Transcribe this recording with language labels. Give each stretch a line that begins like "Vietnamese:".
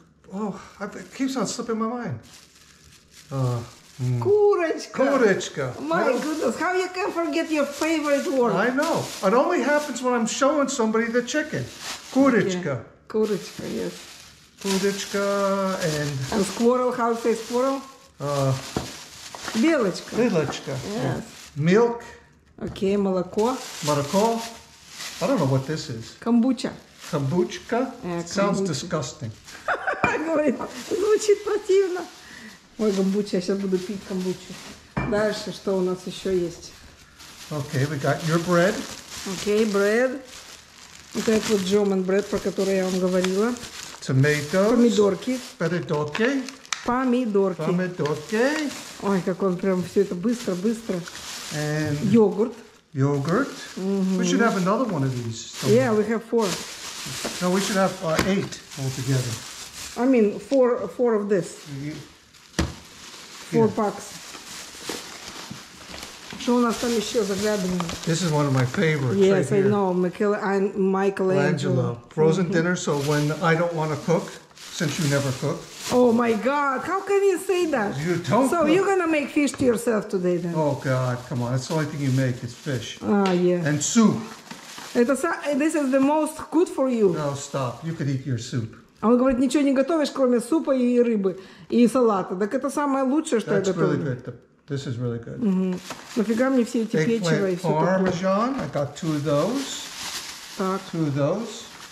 English: It keeps on slipping my mind.
Russian: Курочка. Курочка.
English: My goodness, how you can forget your favorite word? I know. It only happens when I'm showing somebody the chicken.
Russian: Курочка. Okay. Курочка, yes. Курочка and...
English: And squirrel, how to say squirrel?
Russian: Белочка. Белочка.
English: Yes. Milk.
Russian: Okay, молоко.
English: Молоко. I don't know what this is.
Russian: Камбуча. Камбучка?
English: Yeah, sounds disgusting.
Russian: Говорит, звучит противно. Ой, камбуча, я сейчас буду пить камбучу. Дальше, что у нас еще есть?
English: Okay, we got your bread. Okay, bread.
Russian: Вот этот вот
English: German bread,
Russian: про который я вам говорила.
English: Tomatoes.
Russian: Помидорки. Помидорки. Помидорки. Помидорки. Ой, как он прям все это быстро.
English: And
Russian: йогурт. Йогурт. Mm-hmm.
English: We should have another one of these. Somewhere. Yeah, we have four. No, we should have eight altogether. I mean, four of this. Four packs.
Russian: Что у нас там еще заглядываем?
English: This is one of my favorites. Yes, right here. I know. Michelangelo. Frozen dinner, so when I don't want to cook, since you never cook. Oh my God, how can you say that? You don't cook. So you're going to make fish to yourself today then? Oh God, come on. That's the only thing you make is fish. Ah, yeah. And soup. This is the most good for you. No, stop. You could eat your soup.
Russian: А он говорит, ничего не готовишь, кроме супа и рыбы, и салата. Так это самое лучшее, что
English: That's
Russian: я готовлю.
English: Really good. This is really good. Mm-hmm.
Russian: Нафига мне все эти печива и все такое?
English: Eggplant parmesan. I got two of those.
Russian: Так.
English: Two of those.